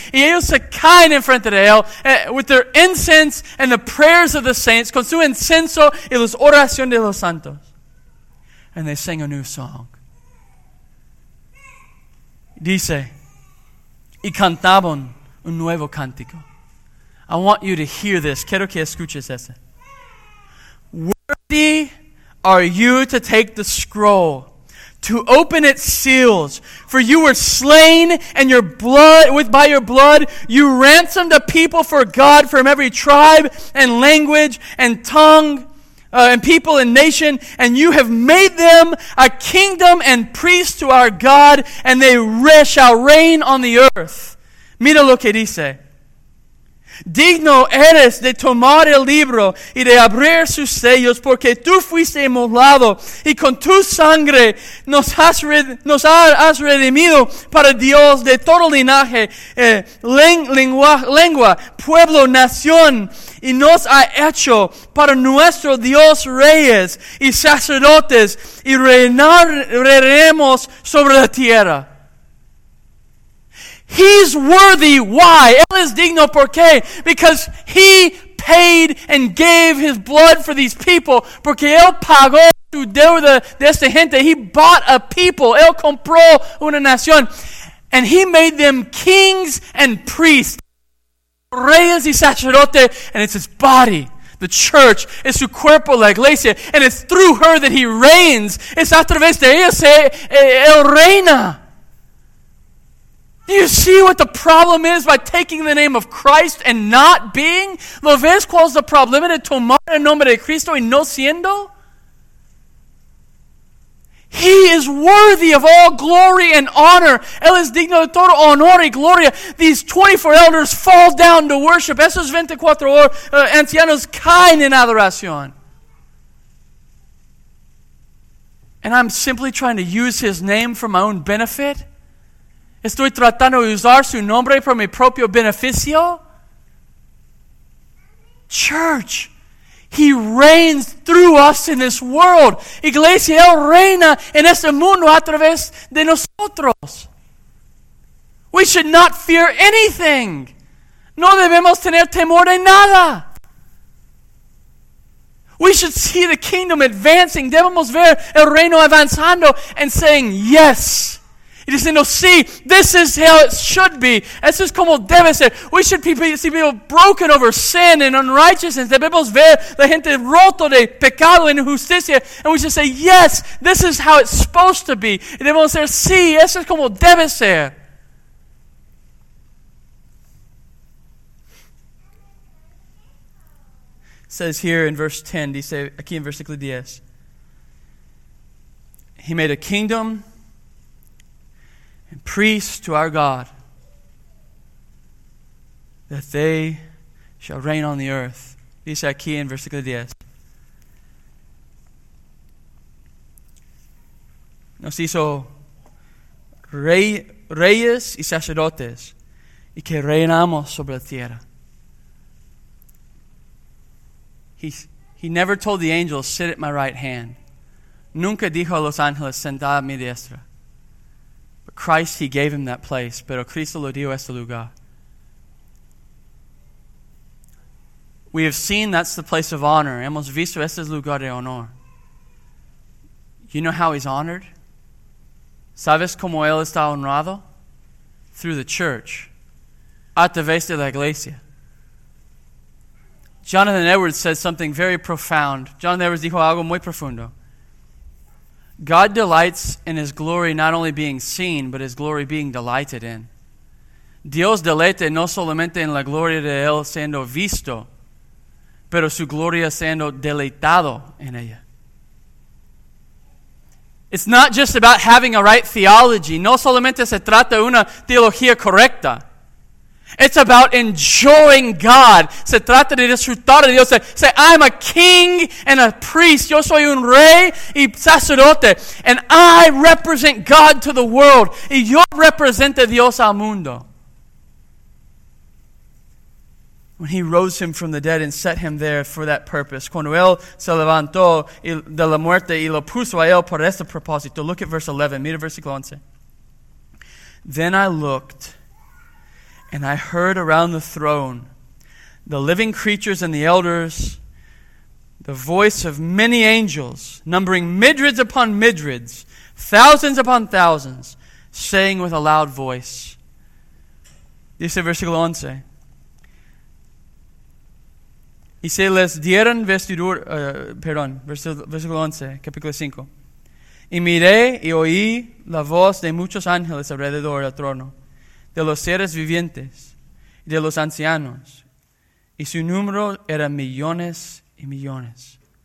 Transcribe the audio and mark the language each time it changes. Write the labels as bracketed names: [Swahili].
[Spanish] Y ellos se caen en frente de él, [English] with their incense and the prayers of the saints, [Spanish] con su incenso y las oraciones de los santos. [English] And they sing a new song. [Spanish] Dice, y cantaban un nuevo cántico. [English] I want you to hear this. [Spanish] Quiero que escuches ese. [English] Worthy are you to take the scroll, to open its seals. For you were slain, and by your blood you ransomed a people for God from every tribe and language and tongue. And people and nation, and you have made them a kingdom and priests to our God, and they shall reign on the earth. [Spanish] Mira lo que dice. [English] Digno eres de tomar el libro y de abrir sus sellos, porque tú fuiste inmolado y con tu sangre nos has redimido para Dios de todo linaje, lengua, pueblo, nación, y nos ha hecho para nuestro Dios reyes y sacerdotes, y reinaremos sobre la tierra. He's worthy. Why? [Spanish] Él es digno. ¿Por qué? [English] Because he paid and gave his blood for these people. [Spanish] Porque él pagó su deuda de esta gente. [English] He bought a people. [Spanish] Él compró una nación. [English] And he made them kings and priests. [Spanish] Reyes y sacerdotes. [English] And it's his body. The church is [Spanish] su cuerpo, la iglesia. [English] And it's through her that he reigns. [Spanish] Es a través de ella él reina. [English] Do you see what the problem is by taking the name of Christ and not being? [Spanish] ¿Lo ves cuál es el problema de tomar el nombre de Cristo y no siendo? [English] He is worthy of all glory and honor. [Spanish] Él es digno de todo honor y gloria. [English] These 24 elders fall down to worship. [Spanish] Esos 24 ancianos caen en adoración. [English] And I'm simply trying to use his name for my own benefit. [Spanish] Estoy tratando de usar su nombre para mi propio beneficio. [English] Church, he reigns through us in this world. [Spanish] Iglesia, él reina en este mundo a través de nosotros. [English] We should not fear anything. [Spanish] No debemos tener temor de nada. [English] We should see the kingdom advancing. [Spanish] Debemos ver el reino avanzando [English] and saying yes. [Spanish] Y diciendo, sí, [English] this is how it should be. [Spanish] Eso es como debe ser. [English] We should see people broken over sin and unrighteousness. [Spanish] Debemos ver la gente roto de pecado e injusticia. [English] And we should say, yes, this is how it's supposed to be. [Spanish] Y debemos decir, sí, eso es como debe ser. [English] It says here in verse 10, [Spanish] dice aquí en versículo 10. [English] He made a kingdom and priests to our God, that they shall reign on the earth. [Spanish] Dice aquí en versículo 10. Nos hizo reyes y sacerdotes, y que reinamos sobre la tierra. [English] He never told the angels, sit at my right hand. [Spanish] Nunca dijo a los ángeles, sentad a mi diestra. [English] Christ, he gave him that place. [Spanish] Pero Cristo lo dio este lugar. [English] We have seen that's the place of honor. [Spanish] Hemos visto este lugar de honor. [English] You know how he's honored? [Spanish] ¿Sabes cómo él está honrado? [English] Through the church. [Spanish] A través de la iglesia. [English] Jonathan Edwards said something very profound. [Spanish] Jonathan Edwards dijo algo muy profundo. [English] God delights in his glory not only being seen, but his glory being delighted in. [Spanish] Dios deleita no solamente en la gloria de él siendo visto, pero su gloria siendo deleitado en ella. [English] It's not just about having a right theology. [Spanish] No solamente se trata una teología correcta. [English] It's about enjoying God. [Spanish] Se trata de disfrutar de Dios. [English] Say, I'm a king and a priest. [Spanish] Yo soy un rey y sacerdote. [English] And I represent God to the world. [Spanish] Y yo represento Dios al mundo. [English] When he rose him from the dead and set him there for that purpose. [Spanish] Cuando él se levantó de la muerte y lo puso a él por ese propósito. [English] Look at verse 11. [Spanish] Mira versículo 11. [English] Then I looked, and I heard around the throne the living creatures and the elders, the voice of many angels, numbering myriads upon myriads, thousands upon thousands, saying with a loud voice. [Spanish] Dice versículo 11. Y se les dieron vestidura, versículo 11, capítulo 5. Y miré y oí la voz de muchos ángeles alrededor del trono, de los seres vivientes, de los ancianos, y su número era millones y millones.